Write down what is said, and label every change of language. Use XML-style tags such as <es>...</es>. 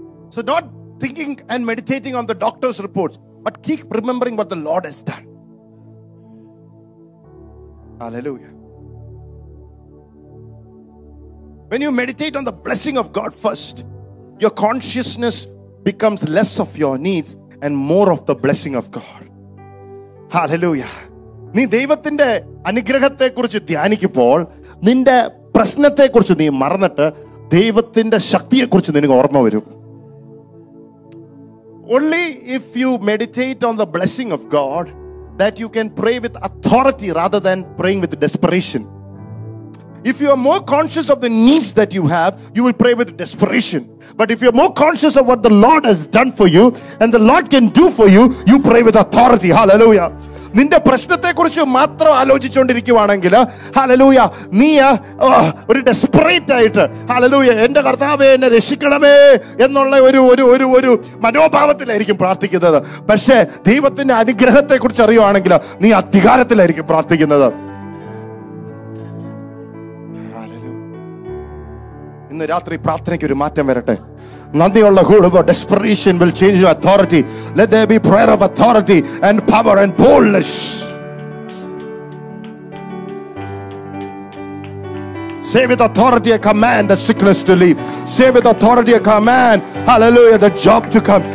<en>So not thinking and meditating on the doctor's reports, but keep remembering what the Lord has done. Hallelujah. When you meditate on the blessing of God first, your consciousness becomes less of your needs and more of the blessing of God. Hallelujah.</en> <ml>നീ ദൈവത്തിന്റെ അനുഗ്രഹത്തെ കുറിച്ച് ധ്യാനിക്കുമ്പോൾ നിന്റെ പ്രശ്നത്തെ കുറിച്ച് നീ മറന്നിട്ട് ദൈവത്തിന്റെ ശക്തിയെ കുറിച്ച് നിനക്ക് ഓർമ്മ വരും.</ml> <en>Only if you meditate on the blessing of God that you can pray with authority rather than praying with desperation. If you are more conscious of the needs that you have, you will pray with desperation. But if you are more conscious of what the Lord has done for you and the Lord can do for you, you pray with authority. Hallelujah.</en> <ml>നിന്റെ പ്രശ്നത്തെ കുറിച്ച് മാത്രം ആലോചിച്ചുകൊണ്ടിരിക്കുവാണെങ്കിൽ hallelujah നീ ഒരു desperate ആയിട്ട് hallelujah എന്റെ കർത്താവേ എന്നെ രക്ഷിക്കണമേ എന്നുള്ള ഒരു ഒരു ഒരു ഒരു മനോഭാവത്തിലായിരിക്കും പ്രാർത്ഥിക്കുന്നത്. പക്ഷേ ദൈവത്തിന്റെ അനുഗ്രഹത്തെ കുറിച്ച് അറിയുവാണെങ്കിൽ നീ അധികാരത്തിലായിരിക്കും പ്രാർത്ഥിക്കുന്നത്. ഇന്ന് രാത്രി പ്രാർത്ഥനയ്ക്ക് ഒരു മാറ്റം വരട്ടെ. Nandiyulla kudumba</ml> <en>desperation will change your authority. Let there be prayer of authority and power and boldness. Say with authority, I command the sickness to leave. Say with authority, I command, hallelujah, the job to come.</en>